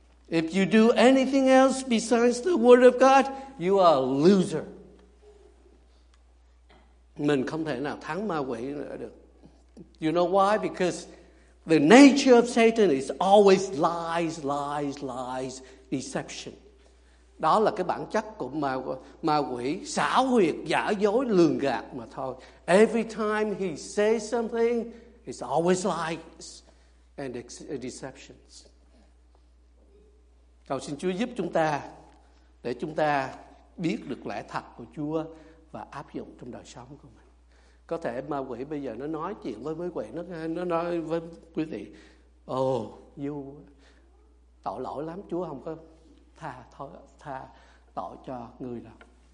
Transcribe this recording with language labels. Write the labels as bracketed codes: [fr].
[en] If you do anything else besides the word of God, you are a loser. [vi] Mình không thể nào thắng ma quỷ nữa được. [en] You know why? Because the nature of Satan is always lies, lies, lies, deception. [vi] Đó là cái bản chất của ma quỷ, xảo huyệt, giả dối, lường gạt mà thôi. [en] Every time he says something, it's always lies and deceptions. [vi] Cầu xin Chúa giúp chúng ta để chúng ta biết được lẽ thật của Chúa và áp dụng trong đời sống của mình. Có thể ma quỷ bây giờ nó nói chuyện với mấy quỷ, nó nói với quý vị, [en] oh, you [vi] tội lỗi lắm, Chúa không có tha, thôi, tha tội cho người đâu.